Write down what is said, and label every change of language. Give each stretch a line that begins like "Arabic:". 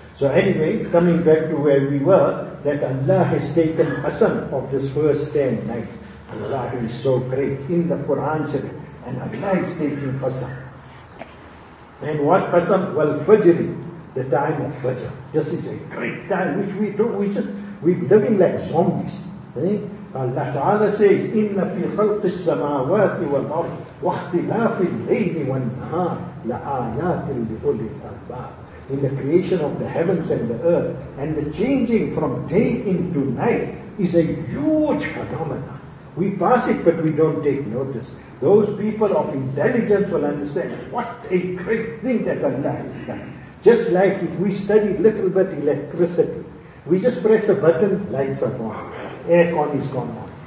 English: So anyway, coming back to where we were, that Allah has taken Hasan of this first 10 nights. Allah is so great in the Quran Sharif, and Allah is taking Qasam. And what Qasam? Well, Fajri, the time of Fajr. This is a great time which we do, we're living like zombies.
Arabic: Allah Ta'ala says, إِنَّ فِي خَلْقِ السَّمَاوَاتِ وَالْأَرْضِ وَاخْتِلَافِ اللَّيْلِ وَالنَّهَارِ لَآيَاتٍ لِأُولِي الْأَلْبَابِ.
English: In the creation of the heavens and the earth, and the changing from day into night is a huge phenomenon. We pass it, but we don't take notice. Those people of intelligence will understand what a great thing that Allah has done. Just like if we study little bit electricity, we just press a button, lights are on, air con is gone on.